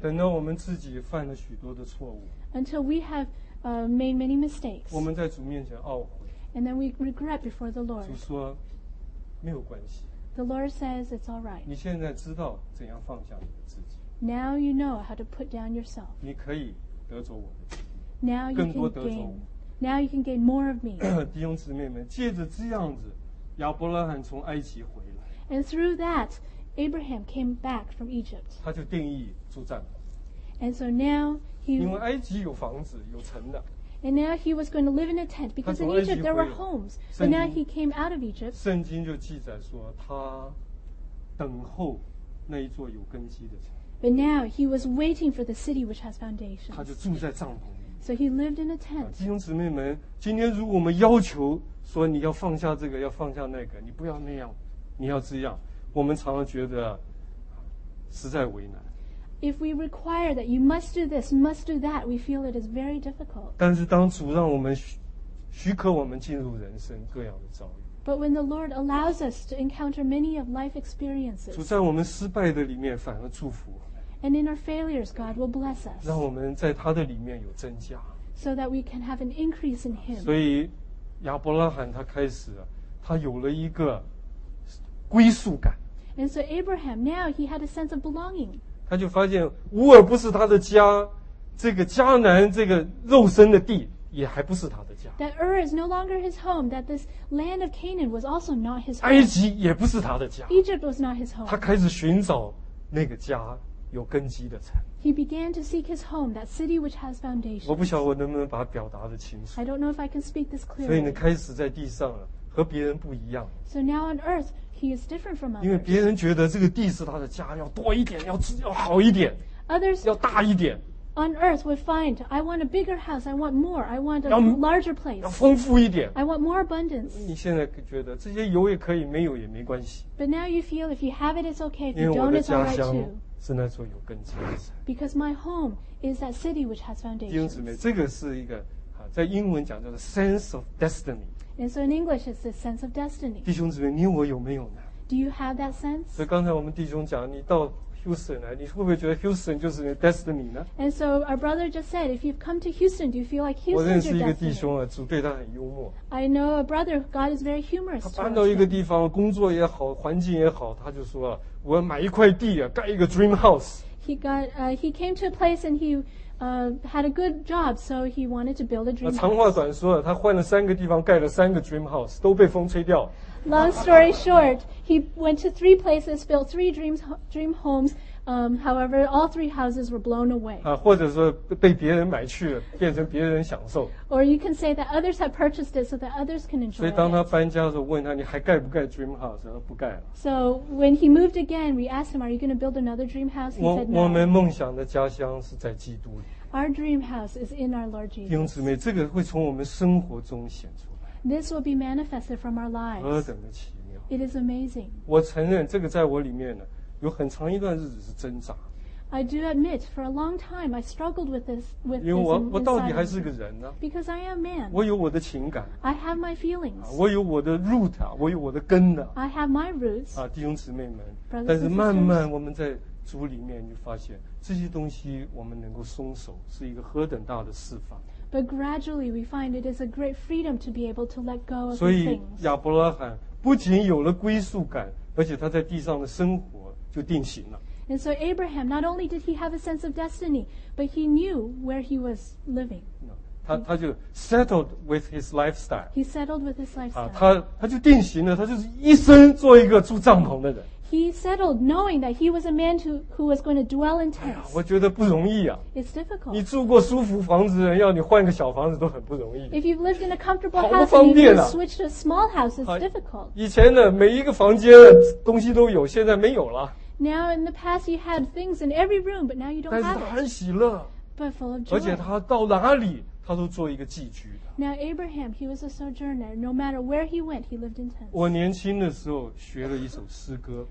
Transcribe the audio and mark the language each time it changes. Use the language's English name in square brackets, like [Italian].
[Chinese] 等到我们自己犯了许多的错误。 [English] Until we have made many mistakes. [Chinese] 我们在主面前懊悔。 [English] And then we regret before the Lord. [Chinese] 主说，没有关系。 [English] The Lord says it's all right. [Chinese] 你现在知道怎样放下你的自己。 [English] Now you know how to put down yourself. [Chinese] 你可以得着我的。 [English] Now you can gain. [Chinese] 更多得着我。 [English] Now you can gain more of me. [Chinese] 弟兄姊妹们，借着这样子，亚伯拉罕从埃及回来。 [English] And through that, Abraham came back from Egypt. [Chinese] 他就定义住帐篷。 [English] And so now he. [Chinese] 因为埃及有房子，有城的。 [English] And now he was going to live in a tent because in Egypt there were homes. But now he came out of Egypt. [Chinese] 圣经就记载说他等候那一座有根基的城。 [English] But now he was waiting for the city which has foundations. [Chinese] 他就住在帐篷里。 [English] So he lived in a tent. [Chinese] 弟兄姊妹们，今天如果我们要求说你要放下这个，要放下那个，你不要那样，你要这样，我们常常觉得实在为难。 [English] If we require that you must do this, must do that, we feel it is very difficult. [Chinese] 但是当主让我们 许可我们进入人生各样的遭遇。 [English] But when the Lord allows us to encounter many of life experiences, [Chinese] 主在我们失败的里面反而祝福。 [English] And in our failures, God will bless us. [Chinese] 让我们在他的里面有增加。 [English] So that we can have an increase in Him. [Chinese] 所以亚伯拉罕他开始，他有了一个归宿感。 [English] And so Abraham, now he had a sense of belonging. [Chinese] 他就发现乌尔不是他的家，这个迦南这个肉身的地也还不是他的家。 [English] That Ur is no longer his home. That this land of Canaan was also not his home. [Chinese] 埃及也不是他的家。 [English] Egypt was not his home. [Chinese] 他开始寻找那个家有根基的城。 [English] He began to seek his home, that city which has foundations. [Chinese] 我不晓得我能不能把它表达的清楚。 [English] I don't know if I can speak this clearly. [Chinese] 所以你开始在地上了，和别人不一样。 [English] So now on earth. He is different from others. [Chinese] 因为别人觉得这个地是他的家，要多一点，要好一点， [English] others, [Chinese] 要大一点。 [English] On earth, we find, I want a bigger house. I want more. I want a larger place. [Chinese] 要丰富一点。 [English] I want more abundance. [Chinese] 你现在觉得这些有也可以，没有也没关系。 [English] But now you feel if you have it, it's okay. If you don't, it's all right too. [Chinese] 是那座有根基的城。 [English] Because my home is that city which has foundations. [Chinese] 弟兄姊妹，这个是一个在英文讲叫做 [English] sense of destiny. And so in English, it's this sense of destiny. [Chinese] 弟兄姊妹，你我有没有呢？ [English] Do you have that sense? [Chinese] 所以刚才我们弟兄讲，你到 Houston 来，你会不会觉得 Houston 就是你的 destiny 呢？ [English] And so our brother just said, if you've come to Houston, do you feel like Houston's your destiny? [Chinese] 我认识一个弟兄啊，主对他很幽默。 [English] I know a brother, God is very humorous. [Chinese] 他搬到一个地方，工作也好，环境也好，他就说啊，我要买一块地啊，盖一个 dream house. [English] He came to a place and he... had a good job, so he wanted to build a dream house. [Chinese] 长话短说，他换了三个地方，盖了三个 dream house, 都被风吹掉。 [English] Long story short, he went to three places, built three dream homes, however, all three houses were blown away. [Chinese] 或者说被别人买去了，变成别人享受。 [English] Or you can say that others have purchased it so that others can enjoy it. [Chinese] 所以当他搬家的时候，问他你还盖不盖 dream house, 他不盖了。 [English] So when he moved again, we asked him, are you going to build another dream house? He said no. [Chinese] 我们梦想的家乡是在基督里。 [English] Our dream house is in our Lord Jesus. [Chinese] 弟兄姊妹，这个会从我们生活中显出来。 [English] This will be manifested from our lives. [Chinese] 何等的奇妙。 [English] It is amazing. [Chinese] 我承认这个在我里面呢，有很长一段日子是挣扎。 [English] I do admit, for a long time, I struggled with this. With [Chinese] 因为我到底还是个人呢、啊。 [English] Because I am man. [Chinese] 我有我的情感。 [English] I have my feelings. [Chinese] 我有我的 root 啊，我有我的根的、啊。 [English] I have my roots. [Chinese] 弟兄姊妹们。 [English] Brothers、 [Chinese] 但是慢慢我们在主里面就发现，这些东西我们能够松手，是一个何等大的释放。 [English] But gradually we find it is a great freedom to be able to let go of things. [Chinese] 所以亚伯拉罕不仅有了归宿感，而且他在地上的生活就定型了。 [English] And so Abraham, not only did he have a sense of destiny, but he knew where he was living. [Chinese] 他就 [English] settled with his lifestyle. He settled with his lifestyle. [Chinese] 他就定型了，他就是一生做一个住帐篷的人。 [English] He settled knowing that he was a man who was going to dwell in tents. [Chinese] 我觉得不容易啊。 [English] It's difficult. [Chinese] 你住过舒服房子，要你换个小房子都很不容易。 [English] If you've lived in a comfortable house, [Chinese] 好不方便啊。 [English] And you switch to a small house, it's difficult. [Chinese] 以前呢，每一个房间东西都有，现在没有了。 [English] Now in the past you had things in every room, but now you don't have it. [Chinese] 但是他很喜乐。 [English] But full of joy. [Chinese] 而且他到哪里，他都做一个寄居的。 [English] Now Abraham, he was a sojourner. No matter where he went, he lived in tents. [Chinese] 我年轻的时候学了一首诗歌。